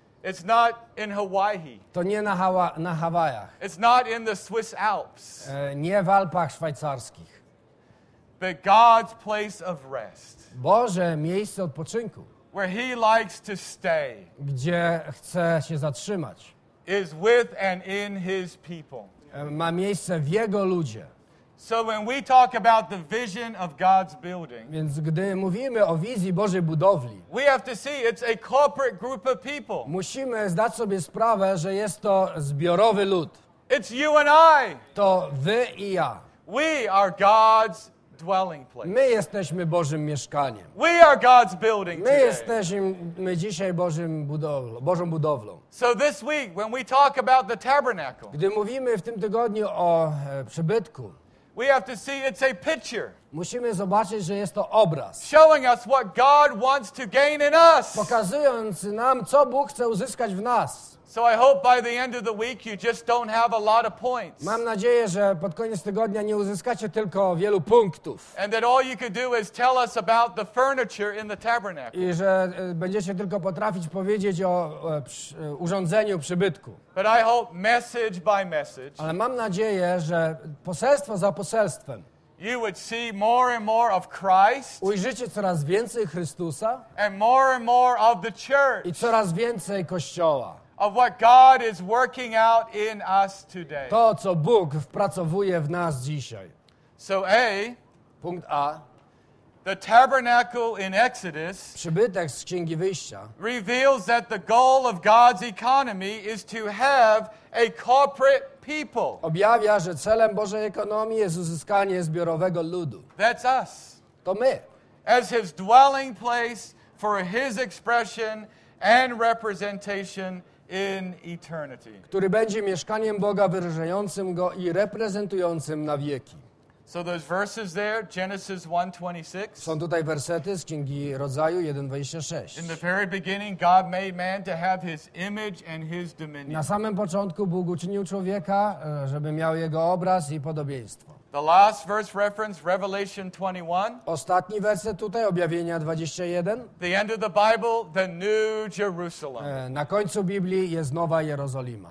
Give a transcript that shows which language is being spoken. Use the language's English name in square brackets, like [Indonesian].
[English] It's not in Hawaii. [Polish] To nie na Hawajach. [English] It's not in the Swiss Alps. [Polish] Nie w Alpach szwajcarskich. [English] But God's place of rest. [Polish] Boże miejsce odpoczynku. [English] Where he likes to stay. [Polish] Gdzie chce się zatrzymać. [English] Is with and in his people. [Polish] Ma miejsce w jego ludzie. [English] So when we talk about the vision of God's building, [Polish] więc gdy mówimy o wizji Bożej budowli, [English] we have to see it's a corporate group of people. [Polish] Musimy zdać sobie sprawę, że jest to zbiorowy lud. [English] It's you and I. [Polish] To wy i ja. [English] We are God's dwelling place. [Polish] My jesteśmy Bożym mieszkaniem. [English] We are God's building. [Polish] My jesteśmy dzisiaj Bożą budowlą. [English] So this week when we talk about the tabernacle, [Polish] gdy mówimy w tym tygodniu o przybytku, [English] we have to see it's a picture. [Polish] Musimy zobaczyć, że jest to obraz. [English] Showing us what God wants to gain in us. [Polish] Pokazując nam, co Bóg chce uzyskać w nas. [English] So I hope by the end of the week you just don't have a lot of points. [Polish] Mam nadzieję, że pod koniec tygodnia nie uzyskacie tylko wielu punktów. [English] And that all you could do is tell us about the furniture in the tabernacle. [Polish] I że będziecie tylko potrafić powiedzieć o urządzeniu przybytku. [English] But I hope message by message. [Polish] Ale mam nadzieję, że poselstwo za poselstwem. [English] You would see more and more of Christ. [Polish] Ujrzycie coraz więcej Chrystusa. [English] And more of the church. [Polish] I coraz więcej Kościoła. [English] Of what God is working out in us today. [Polish] To, co Bóg wpracowuje w nas dzisiaj. [English] So A. [Polish] Punkt A. [English] The tabernacle in Exodus. [Polish] Przybytek z Księgi Wyjścia. [English] Reveals that the goal of God's economy is to have a corporate people. [Polish] Objawia, że celem Bożej ekonomii jest uzyskanie zbiorowego ludu. [English] That's us. [Polish] To my. [English] As his dwelling place for his expression and representation in eternity. [Polish] Który będzie mieszkaniem Boga wyrażającym go i reprezentującym na wieki. [English] So those verses there, Genesis 1:26. [Polish] Są tutaj wersety z Księgi Rodzaju 1:26. [English] In the very beginning God made man to have his image and his dominion. [Polish] Na samym początku Bóg uczynił człowieka, żeby miał jego obraz i podobieństwo. [English] The last verse reference, Revelation 21. [Polish] Ostatni werset tutaj, Objawienia 21. [English] The end of the Bible, the New Jerusalem. [Polish] Na końcu Biblii jest Nowa Jerozolima.